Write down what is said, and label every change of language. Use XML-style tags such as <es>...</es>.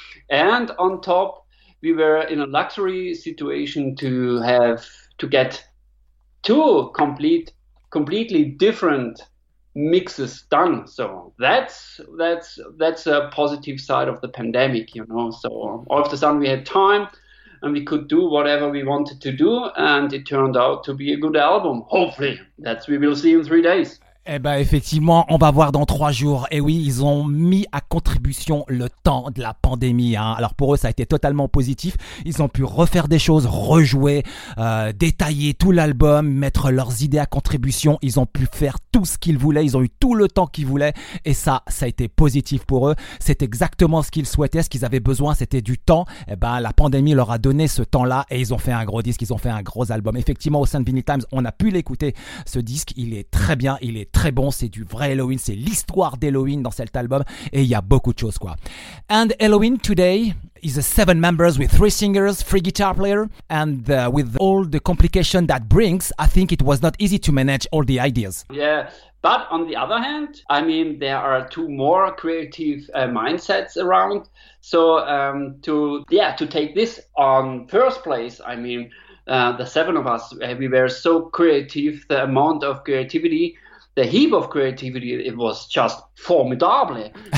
<en>And on top, we were in a luxury situation to get two completely different mixes done. So that's a positive side of the pandemic, you know. So all of a sudden we had time and we could do whatever we wanted to do, and it turned out to be a good album. Hopefully, that we will see in 3 days.</en> <fr>Eh ben, effectivement, on va voir dans 3 jours. Et oui, ils ont mis à contribution le temps de la pandémie, hein. Alors pour eux, ça a été totalement positif. Ils ont pu refaire des choses, rejouer, détailler tout l'album, mettre leurs idées à contribution. Ils ont pu faire tout ce qu'ils voulaient. Ils ont eu tout le temps qu'ils voulaient. Et ça a été positif pour eux. C'est exactement ce qu'ils souhaitaient, ce qu'ils avaient besoin. C'était du temps. Eh ben, la pandémie leur a donné ce temps-là. Et ils ont fait un gros disque. Ils ont fait un gros album. Effectivement, au sein de Vinyl Times, on a pu l'écouter, ce disque. Il est très bien. Il est très bon, c'est du vrai Helloween, c'est l'histoire d'Helloween dans cet album, et il y a beaucoup de choses, quoi.</fr> <en>And Helloween today is a 7 members with 3 singers, 3 guitar players, and with all the complication that brings, I think it was not easy to manage all the ideas. Yeah, but on the other hand, I mean, there are 2 more creative mindsets around, so to take this on first place, I mean, the 7 of us, we were so creative, the amount of creativity, the heap of creativity, it was just formidable.</en>